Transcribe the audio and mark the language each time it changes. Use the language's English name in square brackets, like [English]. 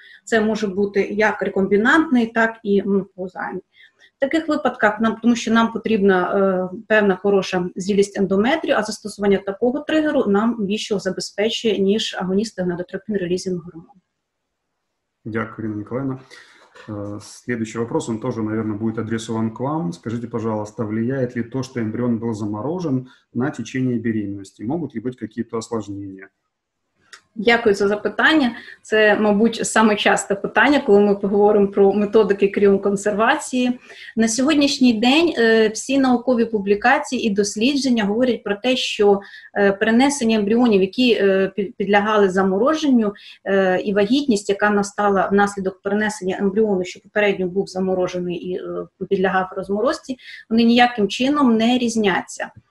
[Ukrainian] Це може бути як рекомбінантний, так і монопаузальний. В таких випадках, тому що нам потрібна певна хороша зрілість ендометрію, а застосування такого тригеру нам більше забезпечує, ніж агоністи гонадотропін-релізінг гормону. Дякую, Ірина Миколаївна. [Russian] Следующий вопрос, он тоже, наверное, будет адресован к вам. Скажите, пожалуйста, влияет ли то, что эмбрион был заморожен на течение беременности? Могут ли быть какие-то осложнения? [Ukrainian] Дякую за запитання. Це, мабуть, саме часте питання, коли ми поговоримо про методики кріоконсервації. На сьогоднішній день всі наукові публікації і дослідження говорять про те, що перенесення ембріонів, які підлягали замороженню, і вагітність, яка настала внаслідок перенесення ембріону, що попередньо був заморожений і підлягав розморозці, вони ніяким чином не різняться.